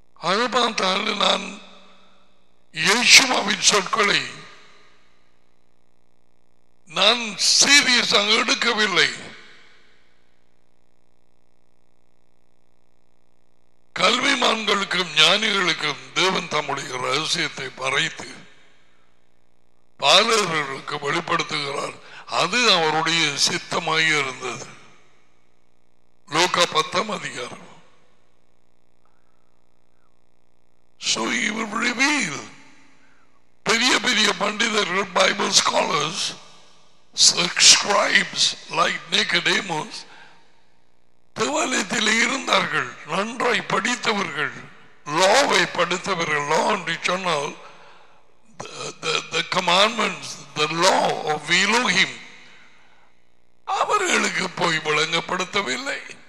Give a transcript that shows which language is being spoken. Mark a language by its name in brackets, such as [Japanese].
[Tamil] அது பார்த்தால் நான் யேசுவின் சொற்களை நான் சீரியஸாக எடுக்கவில்லை. கல்விமான்களுக்கும் ஞானிகளுக்கும் தேவன் தம்முடைய ரகசியத்தை மறைத்து பாலர்களுக்கு வெளிப்படுத்துகிறார். அது அவருடைய சித்தமாக இருந்தது. [English] லூக்கா 10 So he will reveal. [Tamil] பெரிய பெரிய பண்டிதர்கள் Bible scholars [English] scribes like Nicodemus [Tamil] தேவாலயத்தில் இருந்தார்கள், நன்றாய் படித்தவர்கள், லாவை படித்தவர்கள். லா என்று சொன்னால் [English] the commandments, the law of Elohim [Tamil] அவர்களுக்கு போய் விளங்கப்படுத்தவில்லை.